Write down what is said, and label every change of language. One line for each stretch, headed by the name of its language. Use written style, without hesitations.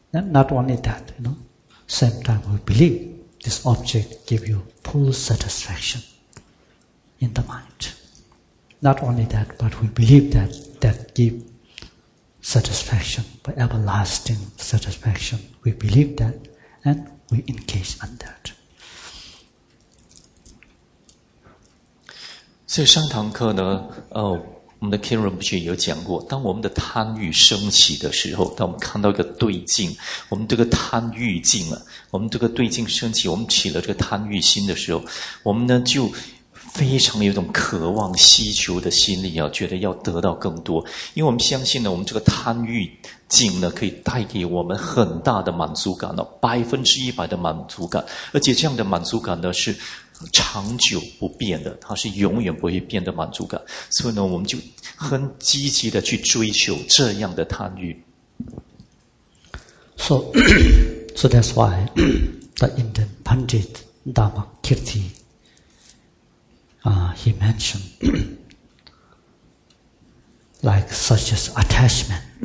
English: And not only that, you know, same time we believe this object gives you full satisfaction in the mind. Not only that, but we believe that that gives satisfaction, but everlasting satisfaction. We believe that and we engage on that.
Chinese: 所以上堂课呢，我们的 Kieran 不是也有讲过，当我们的贪欲升起的时候，当我们看到一个对境，我们这个贪欲境啊，我们这个对境升起，我们起了这个贪欲心的时候，我们呢就非常有一种渴望希求的心理啊，觉得要得到更多，因为我们相信呢，我们这个贪欲境呢可以带给我们很大的满足感哦，100%的满足感，而且这样的满足感呢是长久不变的，它是永远不会变的满足感，所以呢，我们就很积极的去追求这样的贪欲。
English: So that's why the Indian Pandit Dharmakirti, he mentioned like such as attachment,